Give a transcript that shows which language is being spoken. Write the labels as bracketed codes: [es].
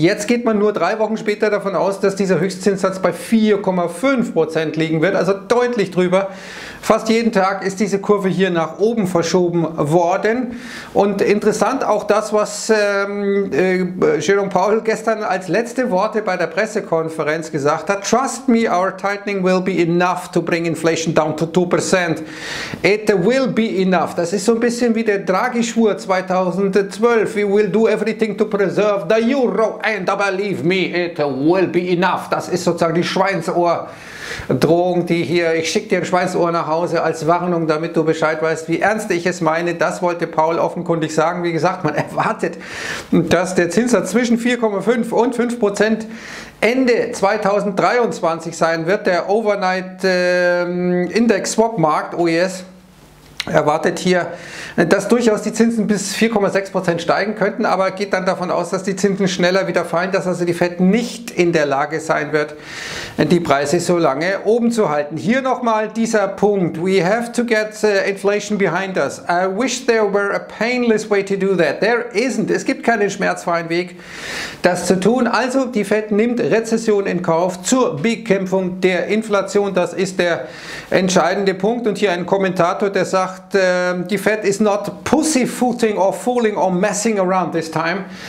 [de] Jetzt geht man nur 3 Wochen später davon aus, dass dieser Höchstzinssatz bei 4,5% liegen wird, also deutlich drüber. Fast jeden Tag ist diese Kurve hier nach oben verschoben worden. Und interessant auch das, was Jerome Powell gestern als letzte Worte bei der Pressekonferenz gesagt hat. [en] Trust me, our tightening will be enough to bring inflation down to 2%. It will be enough. [de] Das ist so ein bisschen wie der Draghi-Schwur 2012. [en] We will do everything to preserve the euro. And believe me, it will be enough. [de] Das ist sozusagen die Schweinsohr-Drohung, die hier, ich schicke dir ein Schweinsohr nach Hause als Warnung, damit du Bescheid weißt, wie ernst ich es meine. Das wollte Paul offenkundig sagen. Wie gesagt, man erwartet, dass der Zinssatz zwischen 4,5 und 5% Ende 2023 sein wird. Der Overnight Index Swap Markt, OES, erwartet hier, dass durchaus die Zinsen bis 4,6% steigen könnten, aber geht dann davon aus, dass die Zinsen schneller wieder fallen, dass also die Fed nicht in der Lage sein wird, die Preise so lange oben zu halten. Hier nochmal dieser Punkt. [en] We have to get inflation behind us. I wish there were a painless way to do that. There isn't. [de] Es gibt keinen schmerzfreien Weg, das zu tun. Also die Fed nimmt Rezession in Kauf zur Bekämpfung der Inflation. Das ist der entscheidende Punkt. Und hier ein Kommentator, der sagt, die Fed [en] is not pussyfooting or fooling or messing around this time.